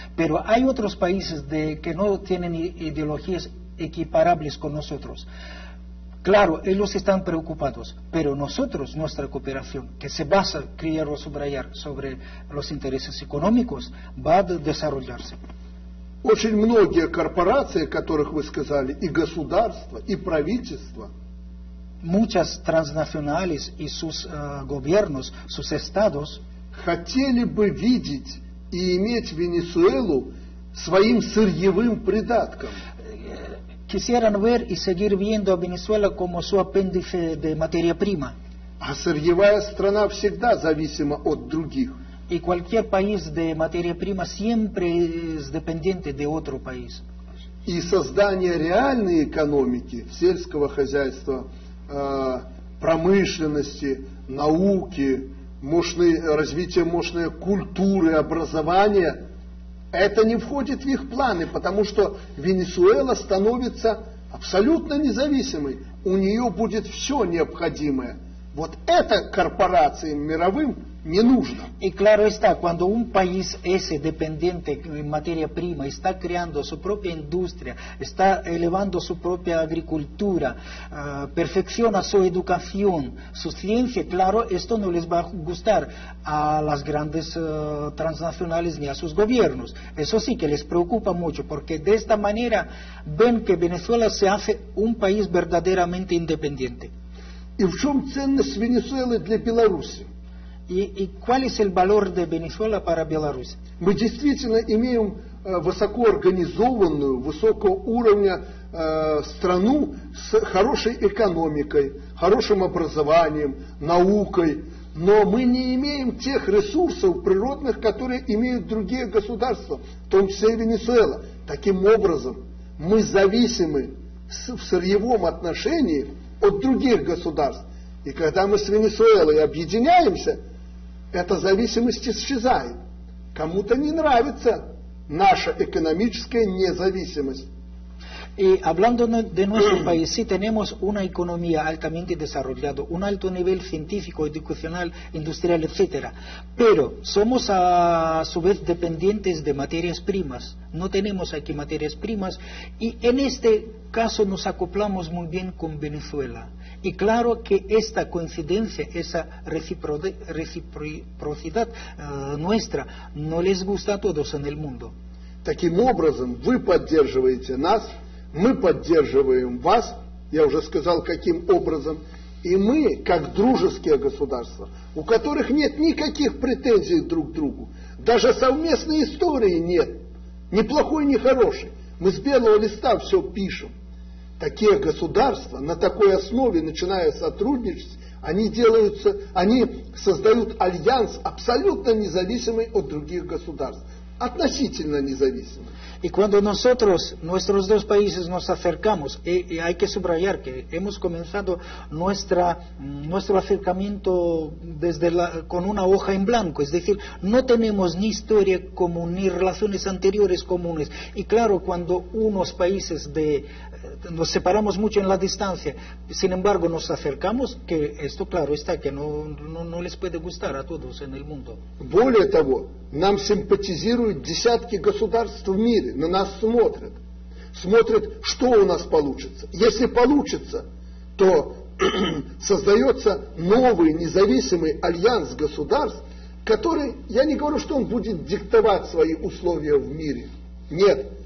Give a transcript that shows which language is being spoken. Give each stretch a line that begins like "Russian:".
Spanish: Pero hay otros países que no tienen ideologías equiparables con nosotros. Claro, ellos están preocupados, pero nosotros, nuestra cooperación, que se basa, quiero subrayar, sobre los intereses económicos, va a desarrollarse.
Russian: Очень многие корпорации, о которых вы сказали, и государства, и правительства,
Spanish: muchas transnacionales y sus gobiernos, sus estados,
Russian: хотели бы видеть и иметь Венесуэлу своим сырьевым придатком.
Spanish: Quisieran ver y seguir viendo a Venezuela como su apéndice de materia prima.
Russian: А сырьевая страна всегда зависима от других.
Spanish: Y cualquier país de materia prima siempre es dependiente de otro país.
Russian: И создание реальной экономики, сельского хозяйства, промышленности, науки, развитие мощной культуры, образования. Это не входит в их планы, потому что Венесуэла становится абсолютно независимой. У нее будет все необходимое. Вот это корпорациям мировым не нужно. И
Spanish: claro está, cuando un país ese dependiente en materia prima está creando su propia industria, está elevando su propia agricultura, perfecciona su educación, su ciencia, claro, esto no les va a gustar a las grandes transnacionales ni a sus gobiernos. Eso sí que les preocupa mucho, porque de esta manera ven que Venezuela se hace un país verdaderamente independiente.
Russian: И в чем ценность Венесуэлы для Беларуси? И
Spanish: cuál es el valor de Venezuela para Belarus?
Russian: Мы действительно имеем высокоорганизованную, высокого уровня страну с хорошей экономикой, хорошим образованием, наукой, но мы не имеем тех ресурсов природных, которые имеют другие государства, в том числе и Венесуэла. Таким образом, мы зависимы в сырьевом отношении от других государств. И когда мы с Венесуэлой объединяемся, эта зависимость исчезает. Кому-то не нравится наша экономическая независимость.
Spanish: Y hablando de nuestro país, sí tenemos una economía altamente desarrollada, un alto nivel científico, educacional, industrial, etc. Pero somos a su vez dependientes de materias primas. No tenemos aquí materias primas. Y en este caso nos acoplamos muy bien con Venezuela. Y claro que esta coincidencia, esa reciprocidad nuestra, no les gusta a todos en el mundo.
Russian: Таким образом, вы поддерживаете нас. Мы поддерживаем вас, я уже сказал, каким образом, и мы, как дружеские государства, у которых нет никаких претензий друг к другу, даже совместной истории нет, ни плохой, ни хорошей, мы с белого листа все пишем. Такие государства на такой основе, начиная сотрудничать, они создают альянс абсолютно независимый от других государств, относительно независимый.
Spanish: Y cuando nosotros, nuestros dos países nos acercamos, y hay que subrayar que hemos comenzado nuestro acercamiento con una hoja en blanco, es decir, no tenemos ni historia común, ni relaciones anteriores comunes. Y claro, cuando unos países nos separamos mucho en la distancia, sin embargo nos acercamos, que esto claro está, que no les puede gustar a todos en el mundo.
Russian: Более того, нам симпатизируют десятки государств в мире. На нас смотрят. Смотрят, что у нас получится. Если получится, то создается новый независимый альянс государств, который, я не говорю, что он будет диктовать свои условия в мире. Нет.